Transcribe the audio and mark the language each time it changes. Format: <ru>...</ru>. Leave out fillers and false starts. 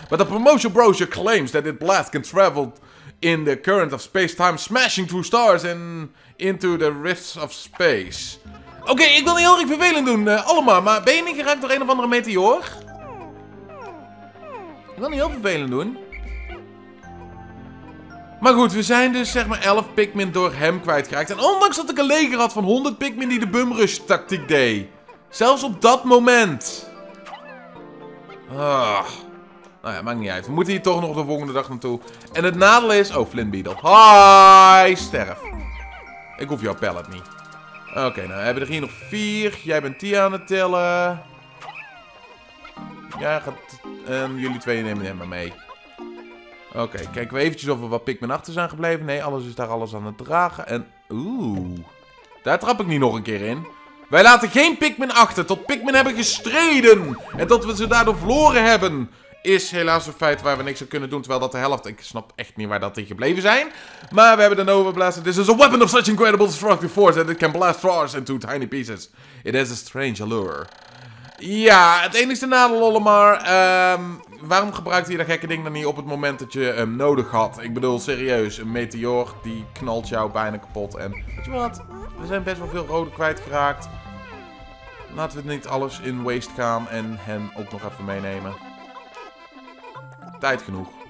<en>But the promotional brochure claims that this blast can travel in the current of space-time, smashing through stars and into the rifts of space.</en> <nl>Oké, ik wil niet heel erg vervelend doen, allemaal. Maar ben je niet geraakt door een of andere meteor? Ik wil niet heel vervelend doen. Maar goed, we zijn dus zeg maar 11 Pikmin door hem kwijtgeraakt. En ondanks dat ik een leger had van 100 Pikmin die de bumrush tactiek deed. Zelfs op dat moment. Ugh. Nou ja, maakt niet uit. We moeten hier toch nog de volgende dag naartoe. En het nadeel is... Oh, Flint Beetle. Hi, sterf. Ik hoef jouw pallet niet. Oké, nou hebben we er hier nog 4. Jij bent die aan het tillen. Jij gaat... En jullie twee nemen hem maar mee. Oké, kijken we eventjes of er wat Pikmin achter zijn gebleven. Nee, alles is daar alles aan het dragen. En oeh, daar trap ik niet nog een keer in. Wij laten geen Pikmin achter tot Pikmin hebben gestreden. En dat we ze daardoor verloren hebben, is helaas een feit waar we niks aan kunnen doen. Terwijl dat de helft, ik snap echt niet waar dat die gebleven zijn. Maar we hebben de Nova Blaster.</nl> <en>This is a weapon of such incredible destructive force that it can blast stars into tiny pieces. It has a strange allure.</en> <nl>Ja, het enige nadeel, Olimar. Waarom gebruikte je dat gekke ding dan niet op het moment dat je hem nodig had? Ik bedoel, serieus, een meteor die knalt jou bijna kapot. En weet je wat? We zijn best wel veel rode kwijtgeraakt. Laten we niet alles in waste gaan en hem ook nog even meenemen. Tijd genoeg.</nl>